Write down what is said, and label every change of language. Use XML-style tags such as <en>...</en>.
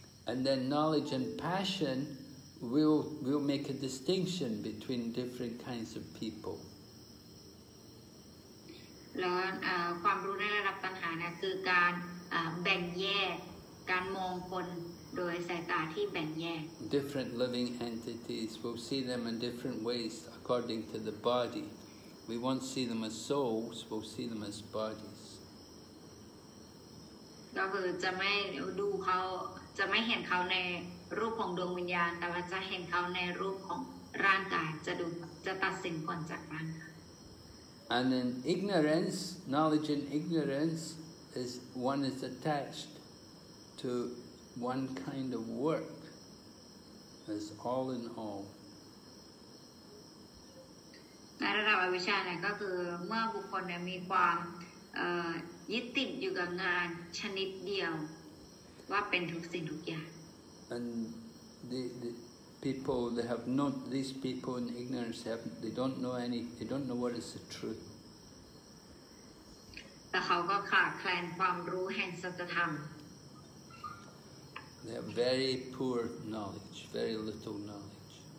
<en>And then knowledge and passion will make a distinction between different kinds of people</en> <th>แล้วความรู้ในระดับตัณหาเนี่ยคือการแบ่งแยกการมองคนโดยสายตาที่แบ่งแยก</th> <en>Different living entities, we'll see them in different ways according to the body. We won't see them as souls, we'll see them as bodies.</en> <th>ก็คือจะไม่ดูเขาจะไม่เห็นเขาในรูปของดวงวิญญาณแต่ว่าจะเห็นเขาในรูปของร่างกายจะตัดสินคนจากร่างกาย</th> <en>And in ignorance, knowledge in ignorance is one is attached to one kind of work. As all in all.</en> <th>ในระดับอวิชชาเนี่ยก็คือเมื่อบุคคลเนี่ยมีความยึดติดอยู่กับงานชนิดเดียวว่าเป็นทุกสิ่งทุกอย่าง</th> <en>And the people they have not these people in ignorance have they don't know what is the truth.</en> <th>แต่เขาก็ขาดแคลนความรู้แห่งสัจธรรม</th> <en>They have very poor knowledge, very little knowledge.</en>